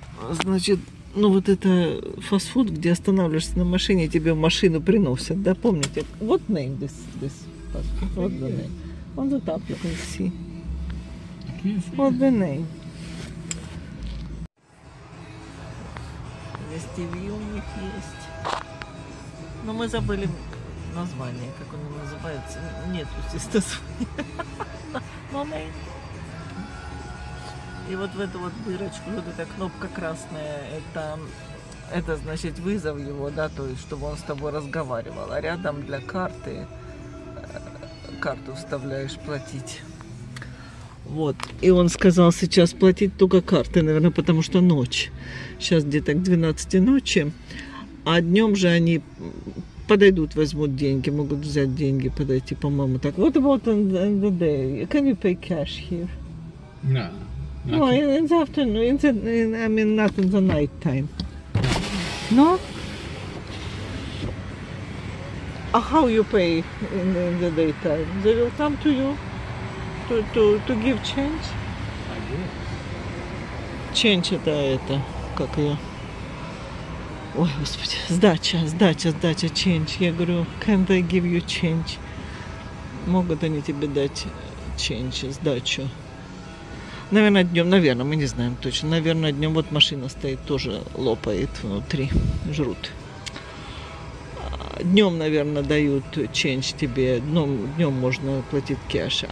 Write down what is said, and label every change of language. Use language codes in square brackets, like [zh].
[ru] Значит, ну вот это фастфуд, где останавливаешься на машине, тебе машину приносят, да, помните? [en] What name this, this fastfood? What the name? On the top you can see. What the name? [ru] Вестивью у них есть. Но мы забыли название, как оно называется. Нет, естественно, название. И вот в эту вот дырочку, вот эта кнопка красная, это значит вызов его, да, то есть чтобы он с тобой разговаривал. А рядом для карты, карту вставляешь платить. Вот, и он сказал сейчас платить только карты, наверное, потому что ночь. Сейчас где-то к 12 ночи, а днем же они подойдут, возьмут деньги, могут взять деньги, подойти, по-моему, так. [en] What about in the day? Can you pay cash here? No. No, in the afternoon, not in the night time. No? How you pay in the daytime? They will come to you to give change? I guess. [ru] Change это, как ее? Ой, господи, сдача, change. Я говорю, [en] can they give you change? [ru] Могут они тебе дать change, сдачу? Наверное, днем, наверное, мы не знаем точно. Наверное, днем вот машина стоит, тоже лопает внутри, жрут. Днем, наверное, дают change тебе, днем можно платить кэш.